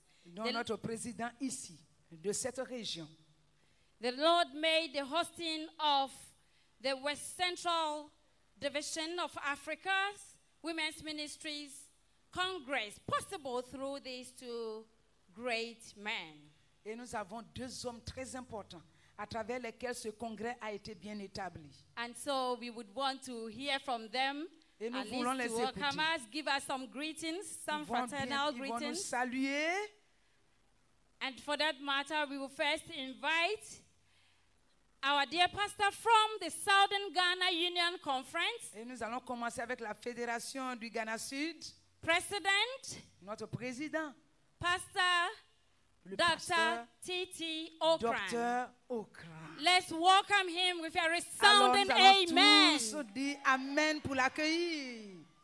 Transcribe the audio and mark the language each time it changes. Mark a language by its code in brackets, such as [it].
[fr] Notre président ici, de cette région. [en] The Lord made the hosting of the West Central Division of Africa's Women's Ministries Congress possible through these two great men. [fr] Et nous avons deux hommes très importants à travers lesquels ce congrès a été bien établi. [en] And so we would want to hear from them. [fr] Et nous voulons les écouter. [en] Welcome us, give us some greetings, some fraternal greetings. [fr] Ils vont nous saluer. [en] And for that matter, we will first invite our dear pastor from the Southern Ghana Union Conference. [fr] Et nous allons commencer avec la Fédération du Ghana Sud. [en] President. [fr] Notre président. [en] Pastor. Dr. T.T. Okran. Dr. Okran. Let's welcome him with a resounding amen. [fr] Alors, nous allons tous dire amen pour l'accueillir.